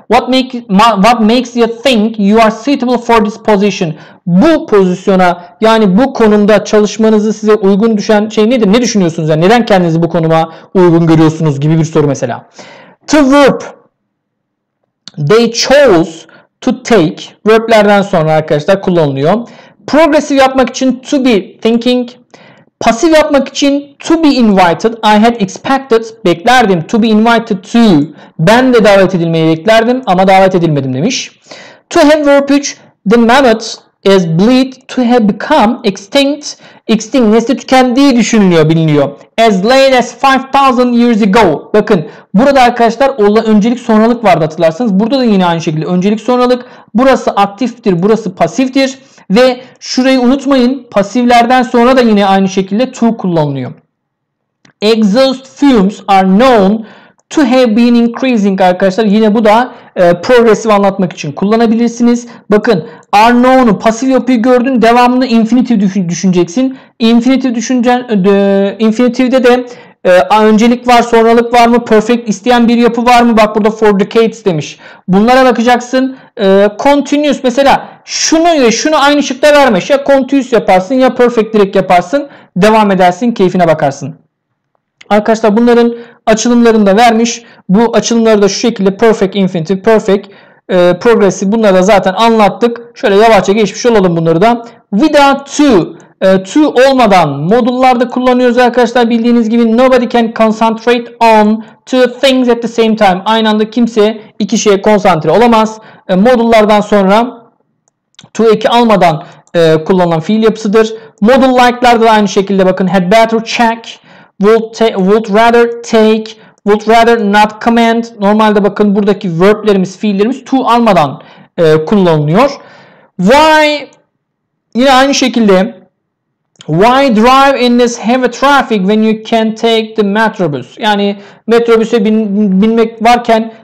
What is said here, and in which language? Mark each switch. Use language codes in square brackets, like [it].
[en] What makes you think you are suitable for this position? [tr] Bu pozisyona, yani bu konumda çalışmanızı size uygun düşen şey nedir? Ne düşünüyorsunuz? Yani neden kendinizi bu konuma uygun görüyorsunuz gibi bir soru mesela. [en] To verb. They chose to take. [tr] Verblerden sonra arkadaşlar kullanılıyor. Progressive yapmak için [en] to be thinking. [tr] Pasif yapmak için [en] to be invited, I had expected, [tr] beklerdim [en] to be invited to, [tr] ben de davet edilmeyi beklerdim ama davet edilmedim demiş. [en] To have verb 3, the mammoth is bleed, to have become extinct, extinct [tr] nesli tükendiği düşünülüyor, biliniyor. [en] As late as 5000 years ago, [tr] bakın burada arkadaşlar öncelik sonralık vardı hatırlarsanız, burada da yine aynı şekilde öncelik sonralık, burası aktiftir, burası pasiftir. Ve şurayı unutmayın, pasivlerden sonra da yine aynı şekilde to kullanılıyor. [en] Exhaust fumes are known to have been increasing [tr] arkadaşlar. Yine bu da progressive anlatmak için kullanabilirsiniz. Bakın are known'u pasif yapıyı gördün, devamını infinitive düşüneceksin. Infinitive düşüneceksin, infinitive'de de öncelik var, sonralık var mı, perfect isteyen bir yapı var mı? Bak burada [en] for decades [tr] demiş. Bunlara bakacaksın. Continuous mesela şunu ve şunu aynı şıkta vermiş. Ya continuous yaparsın ya perfect direkt yaparsın. Devam edersin, keyfine bakarsın. Arkadaşlar bunların açılımlarını da vermiş. Bu açılımları da şu şekilde perfect, infinitive, perfect, progressive, bunları da zaten anlattık. Şöyle yavaşça geçmiş olalım bunları da. Without to. To olmadan modullarda kullanıyoruz arkadaşlar, bildiğiniz gibi [en] nobody can concentrate on two things at the same time. [tr] Aynı anda kimse iki şeye konsantre olamaz. Modullardan sonra to eki almadan kullanılan fiil yapısıdır. Modul like'larda da aynı şekilde bakın. [en] Had better check, would rather take, would rather not comment. [tr] Normalde bakın buradaki verblerimiz, fiillerimiz to almadan kullanılıyor. [en] Why [tr] yine aynı şekilde. [en] Why drive in this heavy traffic when you can take the metrobus? [tr] Yani metrobüse binmek varken